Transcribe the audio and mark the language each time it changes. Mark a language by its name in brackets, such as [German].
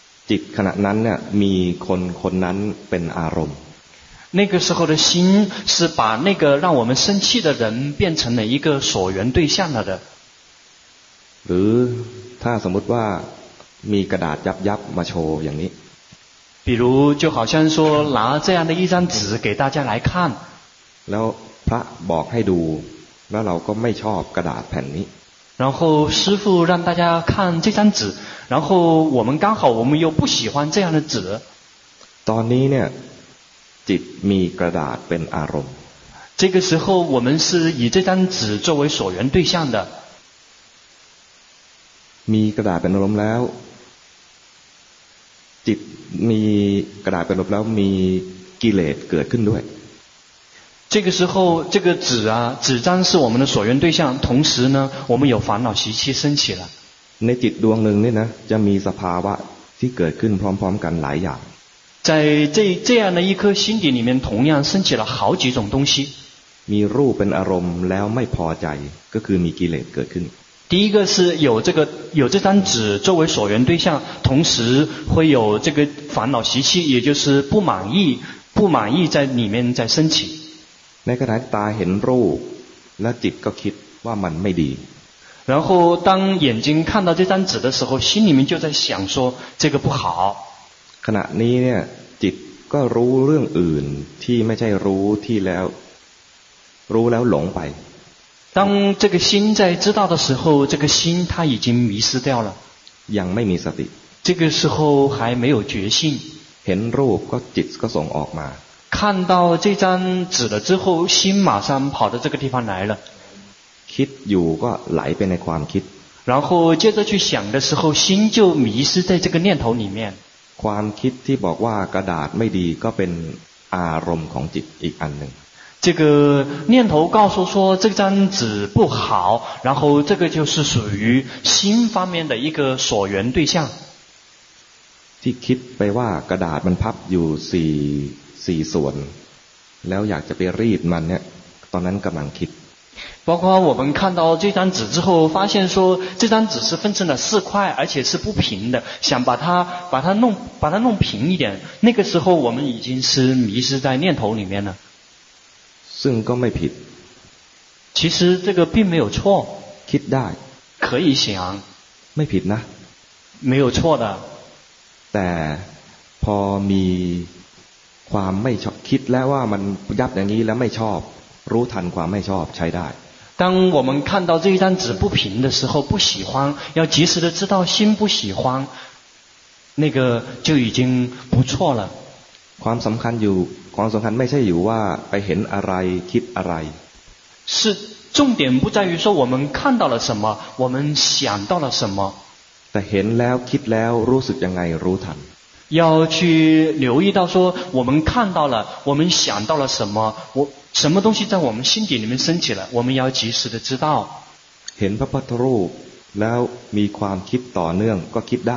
[Thai] จิตขณะนั้นเนี่ยมีคนคนนั้นเป็นอารมณ์ [Chinese] 那个时候的心是把那个让我们生气的人变成了一个所缘对象了的 [Thai] หรือถ้าสมมติว่ามีกระดาษยับยับมาโชว์อย่างนี้ [Chinese] 比如就好像说拿这样的一张纸给大家来看 [Thai] แล้วพระบอกให้ดูแล้วเราก็ไม่ชอบกระดาษแผ่นนี้ [Chinese] 然后师父让大家看这张纸，然后我们刚好我们又不喜欢这样的纸。 [Thai] ตอนนี้เนี่ยจิตมีกระดาษเป็นอารมณ์。 [Chinese] 这个时候我们是以这张纸作为所缘对象的。 [Thai] มีกระดาษเป็นอารมณ์แล้วจิตมีกระดาษเป็นอารมณ์แล้วมีกิเลสเกิดขึ้นด้วย。 [Chinese] 这个时候这个纸啊纸张是我们的所缘对象同时呢我们有烦恼习气升起了 [Thai] ในจิตดวงหนึ่งเนี่ยนะจะมีสภาวะที่เกิดขึ้นพร้อมๆกันหลายอย่าง [Chinese] 在这样的一颗心底里面同样升起了好几种东西 [Thai] มีรูปเป็นอารมณ์แล้วไม่พอใจก็คือมีกิเลสเกิดขึ้น [Chinese] 第一个是有这张纸作为所缘对象同时会有这个烦恼习气也就是不满意在里面在升起 [Thai] ในขณะตาเห็นรูปและจิตก็คิดว่ามันไม่ดี [Chinese] 然后当眼睛看到这张纸的时候心里面就在想说这个不好 [Thai] ขณะนี้เนี่ยจิตก็รู้เรื่องอื่นที่ไม่ใช่รู้ที่แล้วรู้แล้วหลงไป [Chinese] 当这个心在知道的时候这个心它已经迷失掉了 [Thai] ยังไม่มีสติ [Chinese] 这个时候还没有觉性 [Thai] เห็นรูปก็จิตก็ส่งออกมา [Chinese] 看到这张纸了之后心马上跑到这个地方来了 [Thai] คิดอยู่ก็ไหลไปในความคิด [Chinese] 然后接着去想的时候心就迷失在这个念头里面 [Thai] ความคิดที่บอกว่ากระดาษไม่ดีก็เป็นอารมณ์ของจิตอีกอันหนึ่ง [Chinese] 这个念头告诉说这张纸不好然后这个就是属于心方面的一个所缘对象 [Thai] ที่คิดไปว่ากระดาษมันพับอยู่สี่ส่วนแล้วอยากจะไปรีดมันเนี่ยตอนนั้นกำลังคิด [Chinese] 包括我们看到这张纸之后发现说这张纸是分成了四块而且是不平的想把它弄平一点那个时候我们已经是迷失在念头里面了 [Thai] ซึ่งก็ไม่ผิด [Chinese] 其实这个并没有错 [Thai] คิดได้ [Chinese] 可以想 [Thai] ไม่ผิดนะ [Chinese] 没有错的 [Thai] แต่พอมีความไม่ชอบคิดแล้วว่ามันยับอย่างนี้แล้วไม่ชอบรู้ทันความไม่ชอบใช้ได้ [Chinese] 当我们看到这一张纸不平的时候不喜欢要及时的知道心不喜欢那个就已经不错了 [Thai] ความสำคัญอยู่ความสำคัญไม่ใช่อยู่ว่าไปเห็นอะไรคิดอะไร [Chinese] 是重点不在于说我们看到了什么我们想到了什么 [Thai] แต่เห็นแล้วคิดแล้วรู้สึกยังไงรู้ทัน [Chinese] 要去留意到说我们看到了我们想到了什么我什么东西在我们心底里面升起了我们要及时的知道 [Thai] เห็นพระพุทธรูปแล้วมีความคิดต่อเนื่องก็คิดได